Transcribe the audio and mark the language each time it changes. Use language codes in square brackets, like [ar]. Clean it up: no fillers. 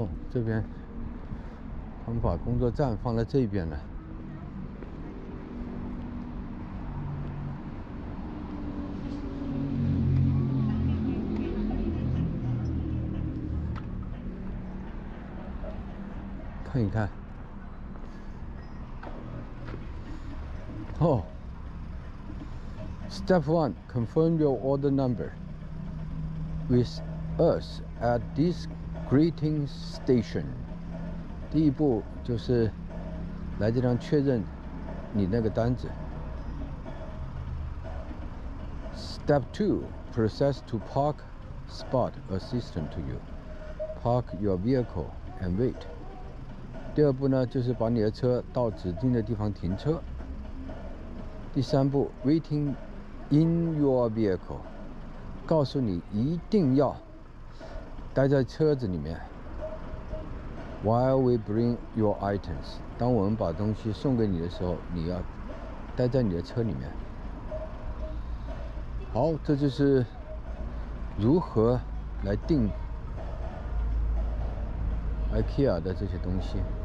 [zh] 这边他们把工作站放在这边了，看一看。 [en] 哦， Step 1 Confirm your order number with us at this Greeting Station. [zh] 第一步就是来这张确认你那个单子。 [en] Step 2, process to park spot assistant to you. Park your vehicle and wait. [zh] 第二步呢，就是把你的车到指定的地方停车。第三步， [en] waiting in your vehicle. [zh] 告诉你一定要待在车子里面。 [en] While we bring your items, [zh] 当我们把东西送给你的时候，你要待在你的车里面。好，这就是如何来订 IKEA 的这些东西。